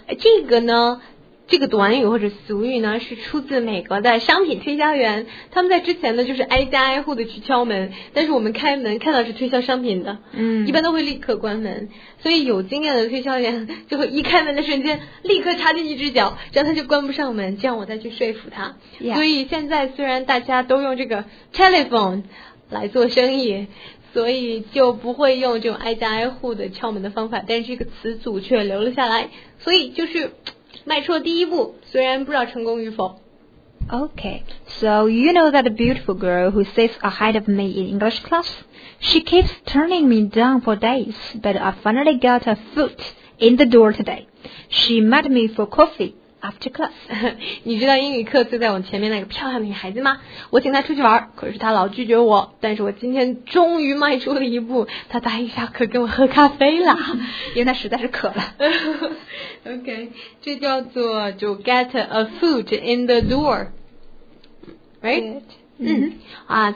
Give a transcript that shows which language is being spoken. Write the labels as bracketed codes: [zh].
[zh] 这个呢，这个短语或者俗语呢，是出自美国的商品推销员，他们在之前呢就是挨家挨户的去敲门，但是我们开门看到是推销商品的，一般都会立刻关门，所以有经验的推销员就会一开门的瞬间立刻插进一只脚，这样他就关不上门，这样我再去说服他。所以现在虽然大家都用这个 telephone 来做生意，所以就不会用这种挨家挨户的敲门的方法，但是这个词组却留了下来，所以就是迈出了第一步，虽然不知道成功与否。 [en] OK, so you know that beautiful girl who sits ahead of me in English class? She keeps turning me down for days, but I finally got her foot in the door today. She met me for coffee after class. [zh] 你知道英语课坐在我前面那个漂亮的女孩子吗？我请她出去玩，可是她老拒绝我，但是我今天终于迈出了一步，她答应下课跟我喝咖啡了，因为她实在是渴了。 [en] OK, [zh] 这叫做就 [en] get a foot in the door, right?